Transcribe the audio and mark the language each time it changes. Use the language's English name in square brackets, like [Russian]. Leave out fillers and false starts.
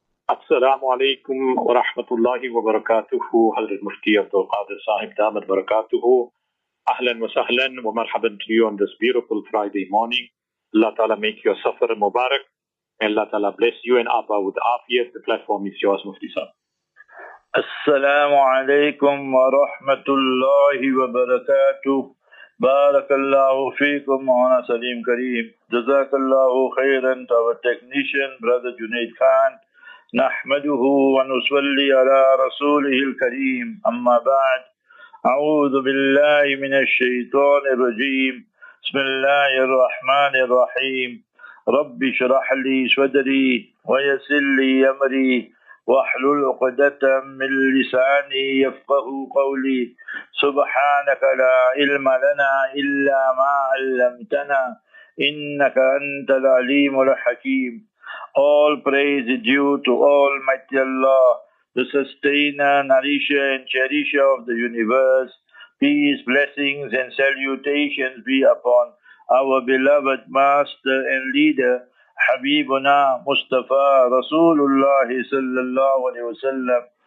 [Arabic] السلام عليكم ورحمة الله وبركاته. حضرة المفتي عبد القادر صاحب دامت بركاته، أهلا وسهلا ومرحبا [English] to you on this beautiful Friday morning. الله تعالى make your suffer مبارك. الله تعالى bless you and Abba with عافية. The platform is yours, مفتي صاحب. [Arabic] السلام عليكم ورحمة الله وبركاته. بارك الله فيكم مولانا سليم كريم، جزاك الله خيرا [English] to our technician brother Junaid Khan. [Arabic] نحمده ونصلي على رسوله الكريم، أما بعد، أعوذ بالله من الشيطان الرجيم، بسم الله الرحمن الرحيم، رب اشرح لي صدري ويسر لي أمري واحلل عقدة من لساني يفقه قولي، سبحانك لا علم لنا إلا ما علمتنا إنك أنت العليم الحكيم. [English] All praise is due to Almighty Allah, the sustainer, nourisher, and cherisher of the universe. Peace, blessings, and salutations be upon our beloved master and leader, Habibuna Mustafa Rasulullah sallallahu alayhi wa sallam.